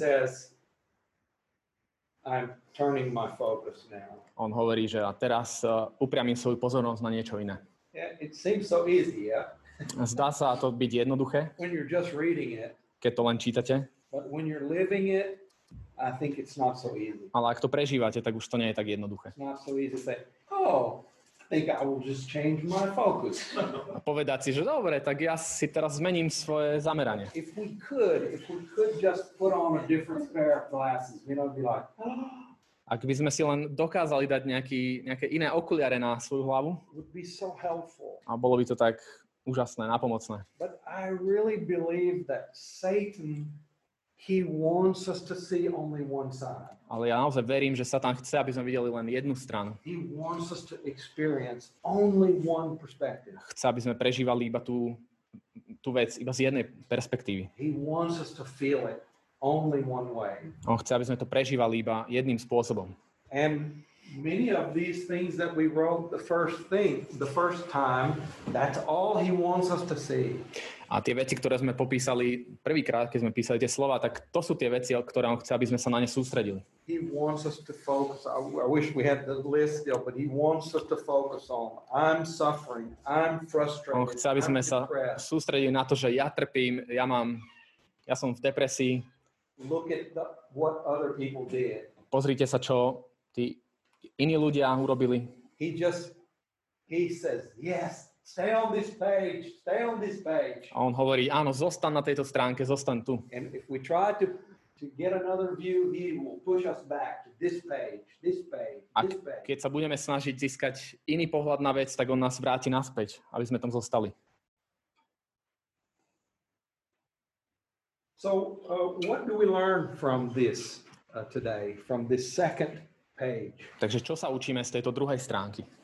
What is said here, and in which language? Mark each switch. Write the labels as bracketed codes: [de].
[en] He says, I'm turning my focus now. [sk] On hovorí, že a teraz upriamím svoju pozornosť na niečo iné. [en] Yeah, it seems so easy, yeah? [sk] Zdá sa to byť jednoduché, [en] when you're just reading it, [sk] keď to len čítate. [en] But when you're living it, I think it's not so easy. [sk] Ale ak to prežívate, tak už to nie je tak jednoduché. [en] It's not so easy to say, oh, I think I will just change my focus. [sk] A povedať si, že dobre, tak ja si teraz zmením svoje zameranie. [en] If we could just put on a different pair of glasses, you know, be like, oh. [sk] Ak by sme si len dokázali dať nejaké iné okuliare na svoju hlavu, [en] would be so helpful. [sk] A bolo by to tak úžasné, napomocné. [en] But I really believe that Satan, he wants us to see only one side. [sk] Ale ja naozaj verím, že Satan chce, aby sme videli len jednu stranu. [en] He wants us to experience only one perspective. [sk] Chce, aby sme prežívali iba tú vec iba z jednej perspektívy. [en] He wants us to feel it only one way. [sk] On chce, aby sme to prežívali iba jedným spôsobom. [en] And many of these things that we wrote the first time, that's all he wants us to see. [sk] A tie veci, ktoré sme popísali prvýkrát, keď sme písali tie slova, tak to sú tie veci, ktoré on chce, aby sme sa na ne sústredili. [en] He wants us to focus. I wish we had the list still, but he wants us to focus on I'm suffering, I'm frustrated. [sk] On chce, aby sme sa sústredili na to, že ja trpím, ja som v depresii. [en] Look at what other people did. [sk] Pozrite sa, čo tí iní ľudia urobili. [en] He says, yes, stay on this page, stay on this page. [sk] A on hovorí, áno, zostan na tejto stránke, zostan tu. [en] And if we try to get another view, he will push us back to this page. [sk] Keď sa budeme snažiť získať iný pohľad na vec, tak on nás vráti naspäť, aby sme tam zostali. [en] So, what do we learn from this today, from this second page? [sk] Takže čo sa učíme z tejto druhej stránky?